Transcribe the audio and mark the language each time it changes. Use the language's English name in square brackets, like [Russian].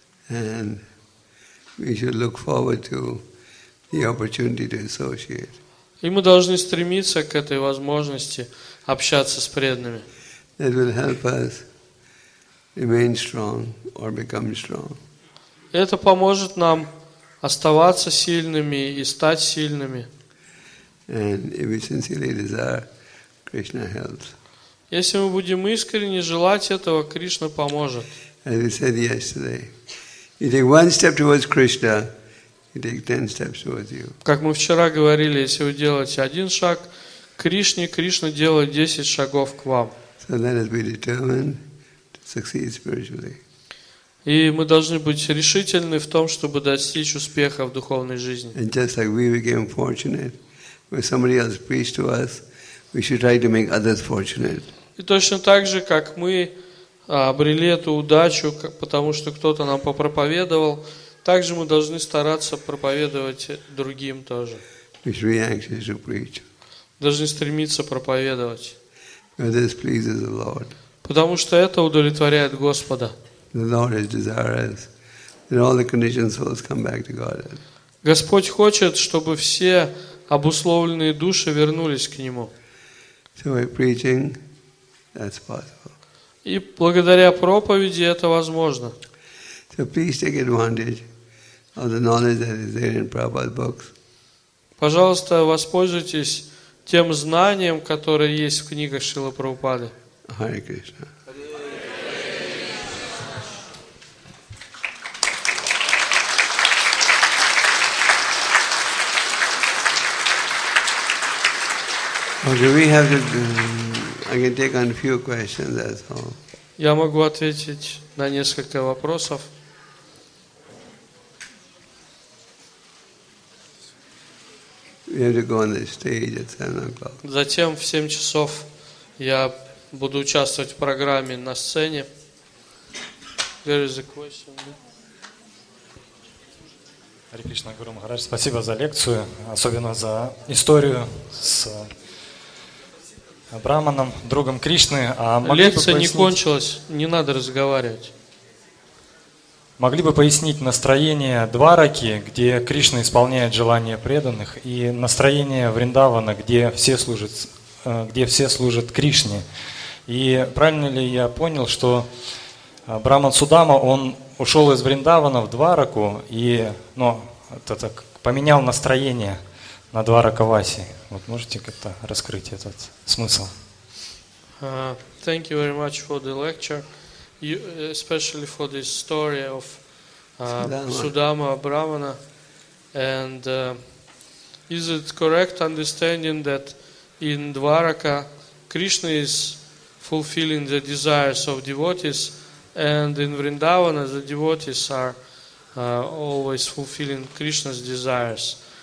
[English] And we should look forward to the opportunity to associate. [Russian] И мы должны стремиться к этой возможности общаться с преданными. [English] That will help us remain strong or become strong. [Russian] Это поможет нам оставаться сильными и стать сильными. [English] And if we sincerely desire Krishna helps. [Russian] Если мы будем искренне желать этого, Кришна поможет. [English] As we said yesterday, you take one step towards Krishna, you take 10 steps towards you. [Russian] Как мы вчера говорили, если вы делаете один шаг Кришне, Кришна делает 10 шагов к вам. [English] So let us be determined to succeed spiritually. [Russian] И мы должны быть решительны в том, чтобы достичь успеха в духовной жизни. [English] And just like we became fortunate when somebody else preached to us, we should try to make others fortunate. [Russian] И точно так же, как мы обрели эту удачу, потому что кто-то нам попроповедовал, также мы должны стараться проповедовать другим тоже. [English] We should be anxious to preach. [Russian] Должны стремиться проповедовать. [English] And this pleases the Lord. [Russian] Потому что это удовлетворяет Господа. [English] The Lord is desirous that all the conditioned souls come back to Godhead. [Russian] Господь хочет, чтобы все обусловленные души вернулись к Нему. [English] So by preaching, that's possible. [Russian] И благодаря проповеди это возможно. [English] So please take advantage of the knowledge that is there in Prabhupada's books. [Russian] Пожалуйста, воспользуйтесь тем знанием, которое есть в книгах Шрилы Прабхупады. [English] Hare Krishna. Okay, we have to. I can take on a few questions. That's all. [Russian] Я могу ответить на несколько вопросов. [English] We have to go on the stage at 7 o'clock. [Russian] Затем в 7 часов я буду участвовать в программе на сцене. [English] There is a question. [Russian] Hare Krishna, Guru Maharaj, спасибо за лекцию, особенно за историю с Браманом, другом Кришны. А лекция не кончилась, не надо разговаривать. Могли бы пояснить настроение Двараки, где Кришна исполняет желания преданных, и настроение Вриндавана, где все служат Кришне. И правильно ли я понял, что Браман Судама, он ушел из Вриндавана в Двараку, и, ну, так, поменял настроение на Дварака Васи. Вот можете как-то раскрыть этот смысл? [English] Thank you very much for the lecture, you, especially for the story of Sudama Brahmana. And is it correct understanding that in Dvaraka, Krishna is fulfilling the desires of devotees, and in Vrindavana, the devotees are always fulfilling Krishna's desires?